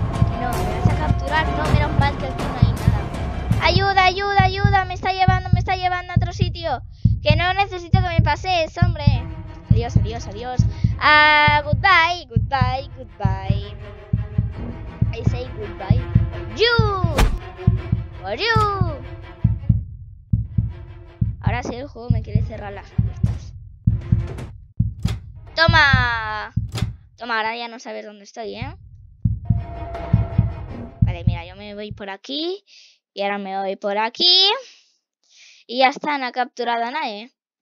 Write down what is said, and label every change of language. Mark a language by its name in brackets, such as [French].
[Spanish] Que no, me vas a capturar, no, menos mal que aquí no hay nada. Ayuda, me está llevando a otro sitio. Que no necesito que me pase eso, hombre. Adiós, adiós, adiós. [English] Ah, goodbye, goodbye, goodbye. I say goodbye for you. For you. [Spanish] Ahora sí, el juego me quiere cerrar las puertas. ¡Toma! Toma, ahora ya no sabes dónde estoy, ¿eh? Vale, mira, yo me voy por aquí. Y ahora me voy por aquí. Y ya está, no ha capturado a nadie.